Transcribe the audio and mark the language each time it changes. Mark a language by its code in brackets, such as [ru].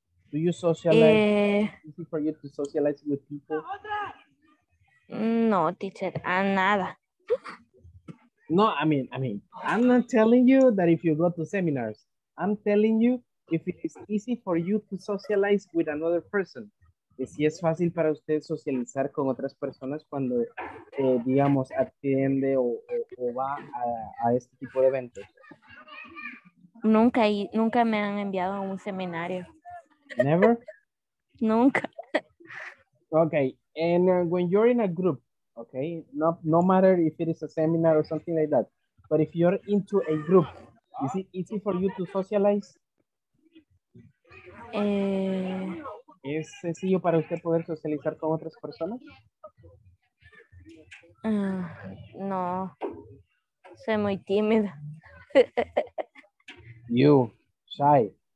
[en] Do you socialize? Is it for you to socialize with people? No, teacher, nada. No, I mean, I'm not telling you that if you go to seminars. I'm telling you if it is easy for you to socialize with another person. [es] Si es fácil para usted socializar con otras personas cuando, digamos, atiende o va a este tipo de eventos. Nunca me han enviado a un seminario. [en] Never? [es] Nunca. [en] Okay, and when you're in a group, okay, no matter if it is a seminar or something like that, but if you're into a group, is it easy for you to socialize? [es] ¿Es sencillo para usted poder socializar con otras personas? No, soy muy tímida. [en] You, shy.